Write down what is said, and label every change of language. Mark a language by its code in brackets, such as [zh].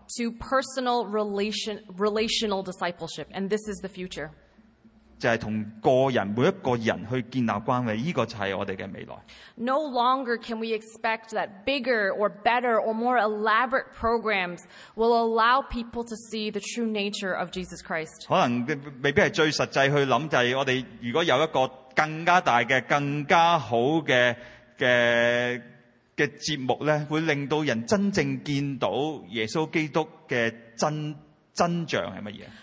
[en] To personal relational discipleship, and this is the future. [yue] 就係同個人每一個人去建立關係，依個就係我哋嘅未來。 [en] No longer can we expect that bigger or better or more elaborate programs will allow people to see the true nature of Jesus Christ. [yue] 可能未必係最實際去諗，就係我哋如果有一個更加大嘅、更加好嘅節目咧，會令到人真正見到耶穌基督嘅真像係乜嘢